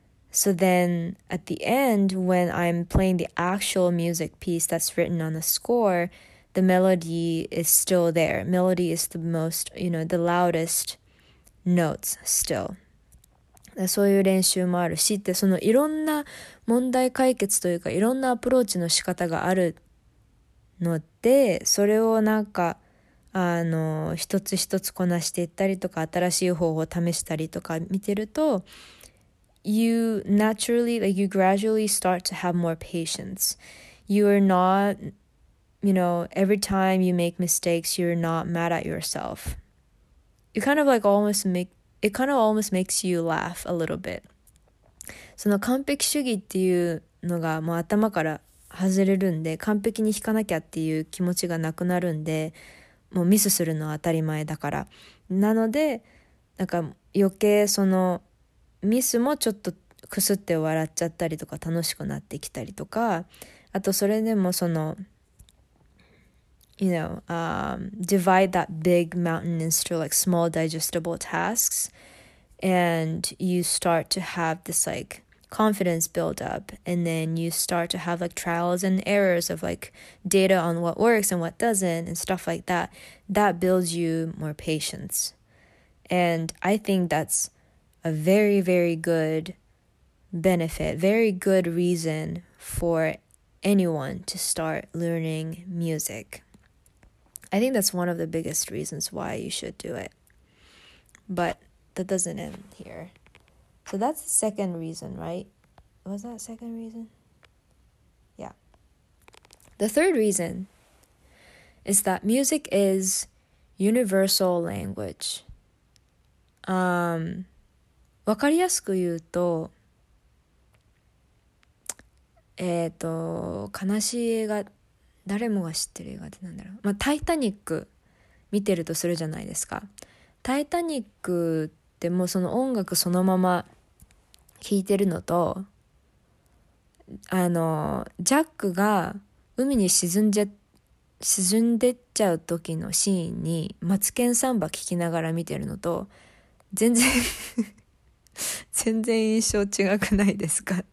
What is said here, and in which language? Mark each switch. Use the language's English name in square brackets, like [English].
[English] So then at the end, when I'm playing the actual music piece that's written on the score, the melody is still there. Melody is the most, you know, the loudest notes still. [Japanese] そういう練習もあるし、って、そのいろんな問題解決というか、いろんなアプローチの仕方があるので、それをなんか、あの、一つ一つこなしていったりとか、新しい方法を試したりとか見てると、 [English] You naturally, like you gradually start to have more patience. You are not, you know, every time you make mistakes, you're not mad at yourself. You kind of like almost make, it kind of almost makes you laugh a little bit. [Japanese] その完璧主義っていうのがもう頭から外れるんで、完璧に弾かなきゃっていう気持ちがなくなるんで、もうミスするのは当たり前だから。なので、なんか余計そのミスもちょっとくすって笑っちゃったりとか楽しくなってきたりとか、あとそれでもその [English] You know, divide that big mountain into like small digestible tasks and you start to have this like confidence build up and then you start to have like trials and errors of like data on what works and what doesn't and stuff like that. That builds you more patience. And I think that's a very, very good benefit, very good reason for anyone to start learning music. I think that's one of the biggest reasons why you should do it. But that doesn't end here. So that's the second reason, right? Was that second reason? Yeah. The third reason is that music is universal language. [Japanese] わかりやすく言うと、悲しい映画、誰もが知ってる映画って何だろう、まあ、タイタニック見てるとするじゃないですか。タイタニックってもうその音楽そのまま聴いてるのと、ジャックが海に沈んでっちゃう時のシーンにマツケンサンバ聴きながら見てるのと全然全然印象違くないですか。